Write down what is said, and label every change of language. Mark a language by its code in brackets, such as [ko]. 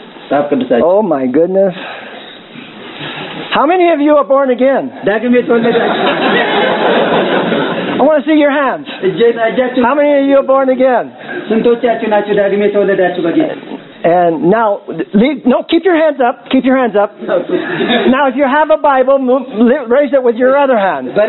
[en] Oh my goodness. How many of you are born again? I want to see your hands. How many of you are born again? [am] ስንቶቻችሁ ናችሁ ዳግም የተወለዳችሁ በጌታ? [en] And now keep your hands up, keep your hands up. Now if you have a Bible, raise it with your other hand.